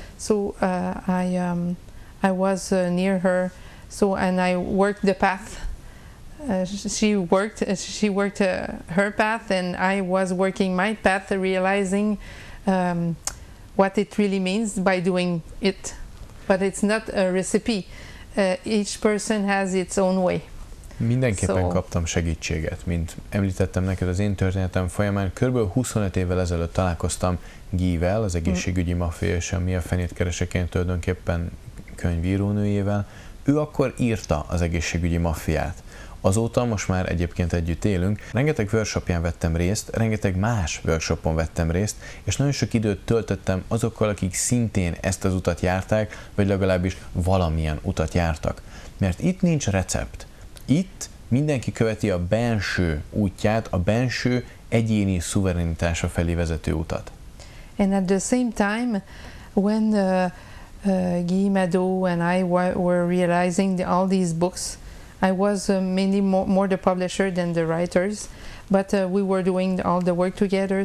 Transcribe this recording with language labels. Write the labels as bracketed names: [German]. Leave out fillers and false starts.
[English] So I was near her. So and I worked the path. She worked her path, and I was working my path, realizing what it really means by doing it but it's not a recipe. Each person has its own way. [Hungarian] Mindenképpen kaptam segítséget, mint említettem neked az én történetem folyamán. Körülbelül 25 évvel ezelőtt találkoztam Gével, az egészségügyi mafia, és a Mi a fenét keresek én tulajdonképpen könyvírónőjével. Ő akkor írta az egészségügyi mafiát. Azóta most már egyébként együtt élünk. Rengeteg workshopján vettem részt, rengeteg más workshopon vettem részt, és nagyon sok időt töltöttem azokkal, akik szintén ezt az utat járták, vagy legalábbis valamilyen utat jártak. Mert itt nincs recept. Itt mindenki követi a belső útját, a belső egyéni szuverenitása felé vezető utat. [English] And at the same time, when Guy Madot and I were realizing all these books, I was mainly more the publisher than the writers, but we were doing all the work together.